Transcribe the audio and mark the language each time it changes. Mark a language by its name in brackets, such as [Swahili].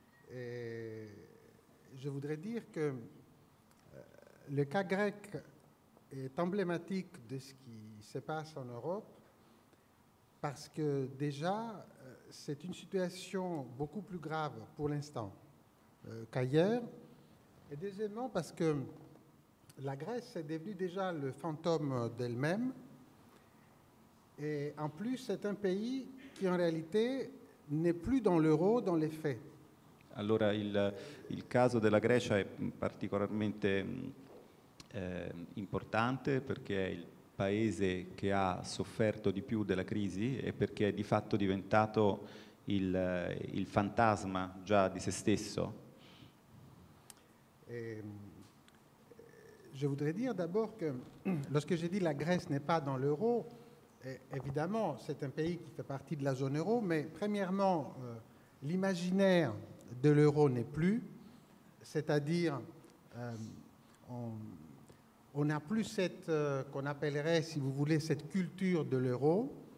[French] Et je voudrais dire que le cas grec est emblématique de ce qui se passe en Europe, parce que déjà, c'est une situation beaucoup plus grave pour l'instant qu'ailleurs, Et deuxièmement, parce que la Grèce est devenue déjà le fantôme d'elle-même. Et en plus, c'est un pays qui, en réalité, n'est plus dans l'euro dans les faits. [Italian] Allora, il caso della Grecia è particolarmente importante perché è il paese che ha sofferto di più della crisi e perché è di fatto diventato il fantasma già di se stesso. [French] Je voudrais dire d'abord que lorsque j'ai dit la Grèce n'est pas dans l'euro, évidemment c'est un pays qui fait partie de la zone euro, mais premièrement l'imaginaire de l'euro n'est plus, c'est-à-dire on n'a plus cette qu'on appellerait, si vous voulez, cette culture de l'euro,